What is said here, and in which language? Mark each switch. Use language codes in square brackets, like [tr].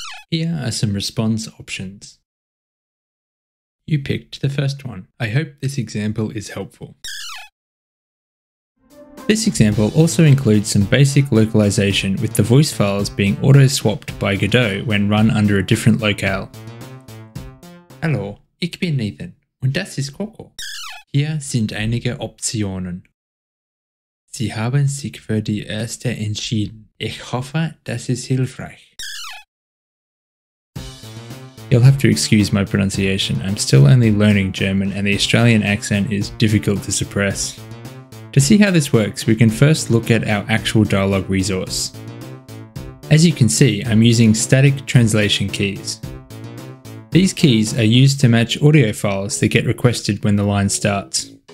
[en] Here are some response options. You picked the first one. I hope this example is helpful. This example also includes some basic localization with the voice files being auto-swapped by Godot when run under a different locale. [de] Hallo, ich bin Nathan, und das ist Coco. Hier sind einige Optionen. Sie haben sich für die erste entschieden. Ich hoffe, das ist hilfreich. [en] You'll have to excuse my pronunciation. I'm still only learning German and the Australian accent is difficult to suppress. To see how this works, we can first look at our actual dialog resource. As you can see, I'm using static translation keys. These keys are used to match audio files that get requested when the line starts.